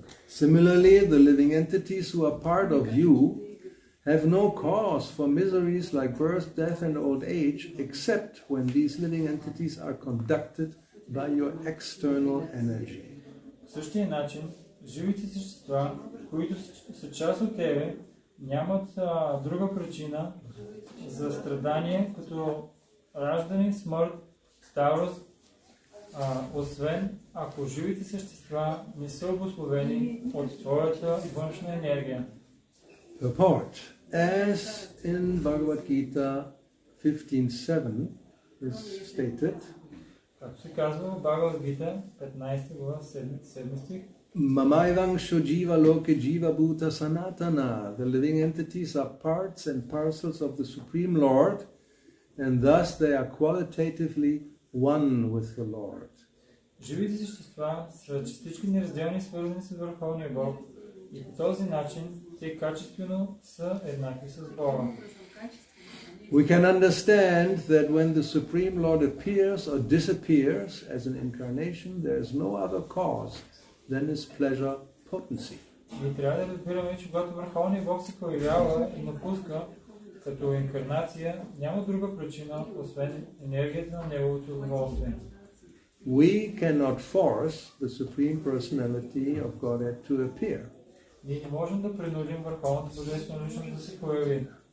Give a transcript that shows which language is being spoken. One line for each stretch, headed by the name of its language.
English: Similarly, the living entities who are part of you have no cause for miseries like birth, death and old age, except when these living entities are conducted by your external energy.
Bulgarian: В същия начин, живите същества, които са част от тебе, нямат друга причина за страдание, като раждане, смърт, старост, освен ако живите същества не са обусловени от твоята външна енергия.
English: Report. As in Bhagavad Gita 15.7 is stated,
Bulgarian: както се казва в Бхагавад Гита 15 глава 7 стих,
Sanskrit: Mamaivang shojiva loke jiva bhuta sanatana.
English: The living entities are parts and parcels of the Supreme Lord, and thus they are qualitatively one with the Lord.
Bulgarian: Живите същества са частички неразделни, свързани с Върховния Бог, и по този начин те качествено са еднакви с Бога.
English: We can understand that when the Supreme Lord appears or disappears as an incarnation, there is no other cause than his pleasure potency.
Bulgarian: Ние трябва да разбираме, че когато Върховният Бог се появява и напуска като инкарнация, няма друга причина, освен енергията на неговото удоволствие.
English: We cannot force the Supreme Personality of Godhead to appear.
Bulgarian: Ние не можем да принудим Върховната Божествена личност да се появи.